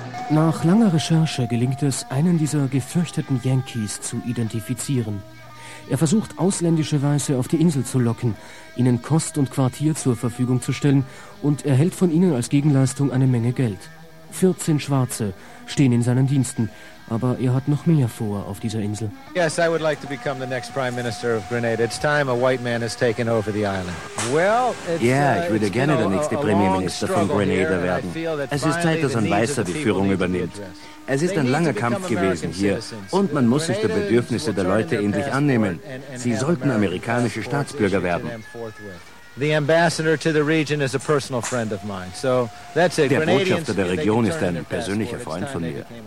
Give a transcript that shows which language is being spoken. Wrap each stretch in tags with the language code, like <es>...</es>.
<de>Nach langer Recherche gelingt es, einen dieser gefürchteten Yankees zu identifizieren. Er versucht, ausländische Weiße auf die Insel zu locken, ihnen Kost und Quartier zur Verfügung zu stellen und erhält von ihnen als Gegenleistung eine Menge Geld. 14 Schwarze stehen in seinen Diensten, aber er hat noch mehr vor auf dieser Insel.</de> <en>Yes, I would like to become the next Prime Minister of Grenada. It's time a white man has taken over the island. Well,</en> <de>ja, ich würde gerne der nächste Premierminister von Grenada werden. Es ist Zeit, dass ein Weißer die Führung übernimmt. Es ist ein langer Kampf gewesen hier und man muss sich der Bedürfnisse der Leute endlich annehmen. Sie sollten amerikanische Staatsbürger werden. Der Botschafter der Region ist ein persönlicher Freund von mir.</de>